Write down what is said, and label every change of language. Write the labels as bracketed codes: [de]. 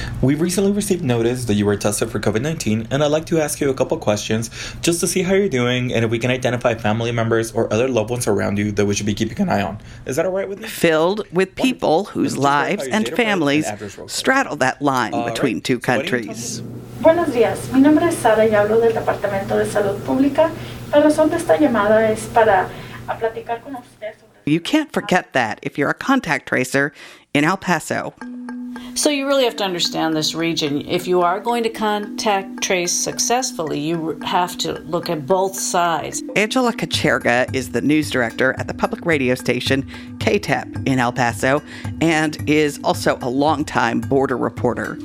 [en] We've recently received notice that you were tested for COVID-19, and I'd like to ask you a couple questions just to see how you're doing and if we can identify family members or other loved ones around you that we should be keeping an eye on. Is that all right with me? Filled with people whose lives and families straddle that line between two countries. [es] Buenos días. Mi nombre es Sara y hablo del Departamento de Salud Pública. La razón de esta llamada es para platicar con ustedes. [en] You can't forget that if you're a contact tracer in El Paso. So you really have to understand this region. If you are going to contact trace successfully, you have to look at both sides. Angela Kacherga is the news director at the public radio station KTEP in El Paso and is also a longtime border reporter.